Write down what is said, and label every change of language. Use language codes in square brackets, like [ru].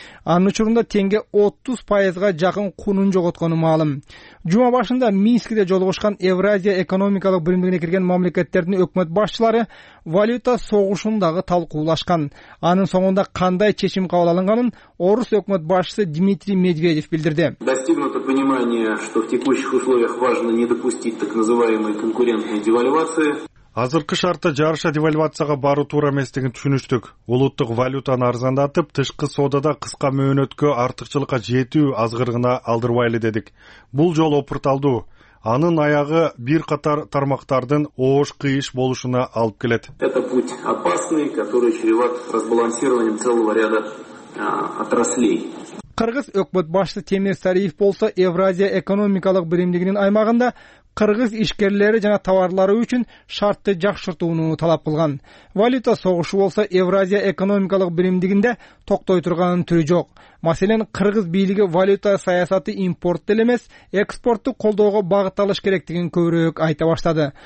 [ky] Анын учурунда теңге 30% жакын кунун жоготкону маалым. Жума башында Минскиде жолугушкан Евразия экономикалык биримдигине кирген мамлекеттердин өкмөт башчылары валюта согушун дагы талкуулашкан. Анын соңунда кандай чечим кабыл алынганын орус өкмөт башчысы Дмитрий Медведев билдирди. [ru] Достигнуто понимание, что в текущих условиях важно не допустить так называемой конкурентной девальвации. [ky] Азыркы шартта жарыша девальвацияга баруу туура эместигин түшүнүштүк. Улуттук валютаны арзандатып, тышкы соодада кыска мөөнөткө артыкчылыкка жетүү азгыргына алдырбайлы дедик. Бул жол опурталдуу. Анын аягы бир катар тармактардын оош кыйыш болушуна алып келет. [ru] Это путь опасный, который чреват разбалансированием целого ряда отраслей. [ky] Кыргыз өкмөт башчысы Темир Сариев болсо Евразия экономикалык биримдигинин аймагында кыргыз ишкерлери жана товарлары үчүн шартты жакшыртууну талап кылган. Валюта согушу болсо Евразия экономикалык биримдигинде токтой турганын түрү жок. Маселен, кыргыз бийлиги валюта саясаты импорт элемес, экспортту колдоого багытталыш керек деген көбүрөөк айта баштады.